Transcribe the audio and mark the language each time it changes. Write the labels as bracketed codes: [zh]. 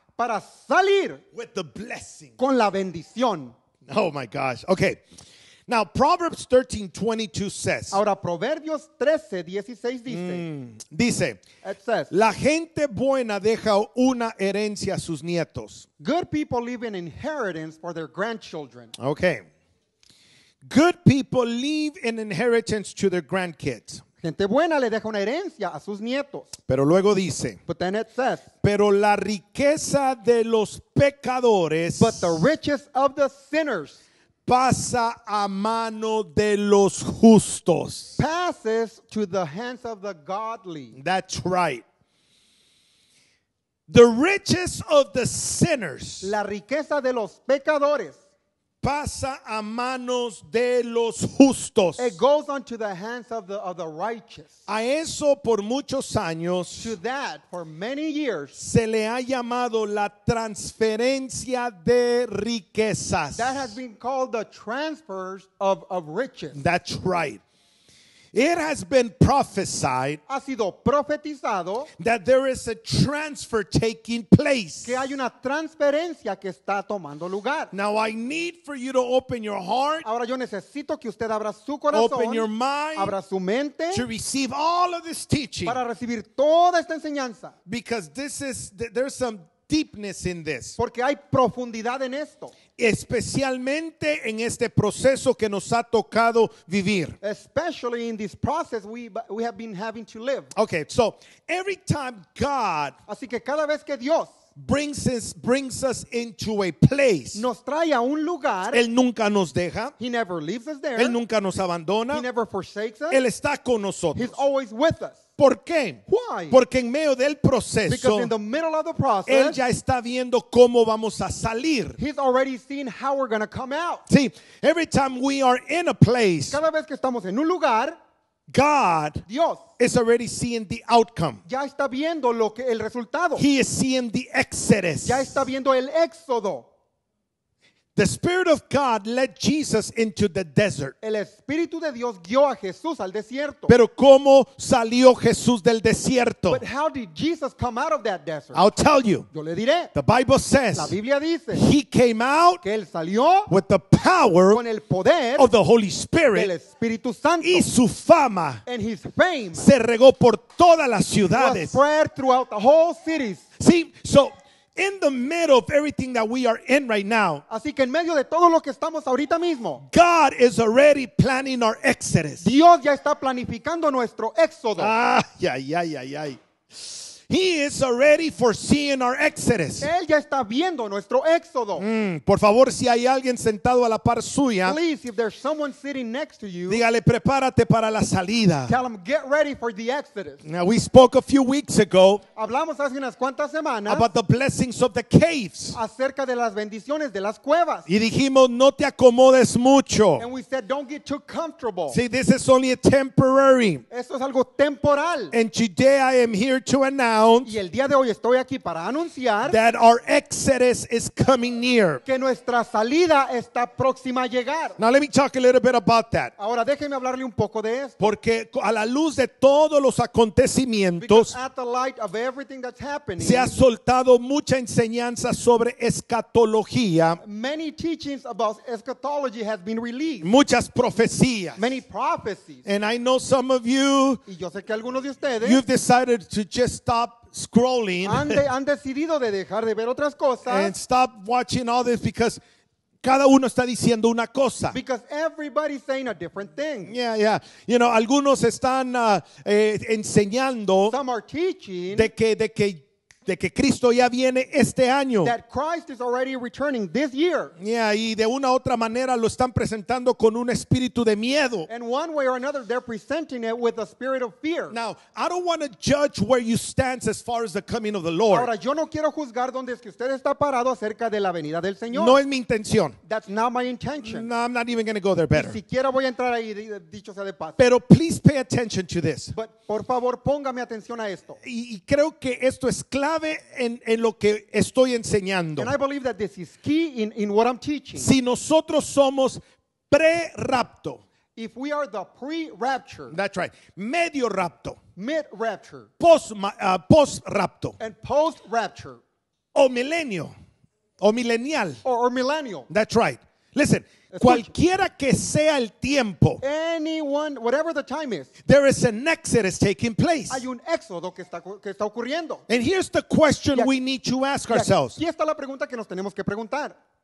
[es] Para salir. [en] With the blessing. [es] Con la bendición. [en] Oh my gosh. Okay. Now Proverbs 13:22 says. [es] Ahora Proverbios 13:16 dice. Dice. [en] It says. [es] La gente buena deja una herencia a sus nietos. [en] Good people leave an inheritance for their grandchildren. Okay. Good people leave an inheritance to their grandkids. [es] Gente buena le deja una herencia a sus nietos. Pero luego dice. [en] But then it says. [es] Pero la riqueza de los pecadores. [en] But the riches of the sinners. [es] Pasa a mano de los justos. [en] Passes to the hands of the godly. That's right. The riches of the sinners. [es] La riqueza de los pecadores. Pasa a manos de los justos. [en] It goes onto the hands of the righteous. [es] A eso por muchos años. [en] To that for many years. [es] Se le ha llamado la transferencia de riquezas. [en] That has been called the transfers of riches. That's right. It has been prophesied. [es] Ha sido profetizado. [en] That there is a transfer taking place. [es] Que hay una transferencia que está tomando lugar. [en] Now I need for you to open your heart. [es] Ahora yo necesito que usted abra su corazón. [en] Open your mind. [es] Abra su mente. [en] To receive all of this teaching. [es] Para recibir toda esta enseñanza. [en] Because this is, there's some deepness in this. [es] Porque hay profundidad en esto. Especialmente en este proceso que nos ha tocado vivir. [en] Especially in this process we have been having to live. Okay, so every time God, [es] así que cada vez que Dios [en] brings us into a place, [es] nos trae a un lugar, él nunca nos deja, [en] he never leaves us there, [es] él nunca nos abandona, [en] he never forsakes us, [es] él está con nosotros, [en] he's always with us. [es] ¿Por qué? [en] Why? [es] Porque en medio del proceso, [en] because in the middle of the process, [es] él ya está viendo cómo vamos a salir. [en] He's already seen how we're going to come out. See, every time we are in a place, [es] cada vez que estamos en un lugar, [en] God, [es] Dios, [en] is already seeing the outcome. [es] Ya está viendo lo que el resultado. [en] He is seeing the exodus. [es] Ya está viendo el éxodo. [en] The Spirit of God led Jesus into the desert. [es] El Espíritu de Dios guió a Jesús al desierto. Pero ¿cómo salió Jesús del desierto? [en] But how did Jesus come out of that desert? I'll tell you. [es] Yo le diré. [en] The Bible says. [es] La Biblia dice. [en] He came out. [es] Que él salió. [en] With the power. [es] Con el poder. [en] Of the Holy Spirit. [es] Del Espíritu Santo. Y su fama. [en] And his fame. [es] Se regó por todas las ciudades. [en] Was spread throughout the whole cities. See, so. In the middle of everything that we are in right now, [es] así que en medio de todo lo que estamos ahorita mismo, [en] God is already planning our exodus. [es] Dios ya está planificando nuestro éxodo. [en] Ay, ay, ay, ay, ay. He is already foreseeing our exodus. [es] Él ya está viendo nuestro éxodo. Por favor, si hay alguien sentado a la par suya, [en] please, if there's someone sitting next to you, [es] dígale, prepárate para la salida. [en] Tell him, get ready for the exodus. Now, we spoke a few weeks ago, [es] hablamos hace unas cuantas semanas, [en] about the blessings of the caves, [es] acerca de las bendiciones de las cuevas. Y dijimos, no te acomodes mucho. [en] And we said, don't get too comfortable. See, this is only a temporary. [es] Esto es algo temporal. [en] And today I am here to announce. announce, [es] y el día de hoy estoy aquí para anunciar, [en] that our exodus is coming near, [es] que nuestra salida está próxima a llegar. [en] Now let me talk a little bit about that. [es] Ahora déjeme hablarle un poco de esto. Porque a la luz de todos los acontecimientos, [en] because at the light of everything that's happening, [es] se ha soltado mucha enseñanza sobre escatología. [en] Many teachings about eschatology have been released. [es] Muchas profecías. [en] Many prophecies. And I know some of you, [es] y yo sé que algunos de ustedes, [en] you've decided to just stop scrolling. [es] Han decidido de dejar de ver otras cosas. [en] And stop watching all this because [es] cada uno está diciendo una cosa. [en] Because everybody's saying a different thing. Yeah, yeah. You know, [es] algunos están enseñando, [en] some are teaching, [es] de que Cristo ya viene este año. [en] That Christ is already returning this year. [es] Yeah, y de una u otra manera lo están presentando con un espíritu de miedo. [en] And one way or another, they're presenting it with a spirit of fear. Now, I don't want to judge where you stand as far as the coming of the Lord. [es] Ahora, yo no quiero juzgar dónde es que usted está parado acerca de la venida del Señor. No es mi intención. [en] That's not my intention. No, I'm not even going to go there, better. [es] Ni siquiera voy a entrar ahí, dicho sea de paso. [en] Pero please pay attention to this. [es] But, por favor, póngame atención a esto. Y creo que esto es clave en lo que estoy enseñando. [en] And I believe that this is key in what I'm teaching. [es] Si nosotros somos pre-rapto, [en] if we are the pre-rapture, that's right, [es] medio rapto, [en] mid-rapture, [es] post-rapto, [en] and post-rapture, [es] o milenio, o milenial, [en] or millennial, that's right. Listen, [es] escuche, cualquiera que sea el tiempo, [en] anyone, whatever the time is, there is an exodus taking place. [es] Hay un éxodo que está ocurriendo. [en] And here's the question we need to ask ourselves. [es] Aquí está la pregunta que nos tenemos que preguntar.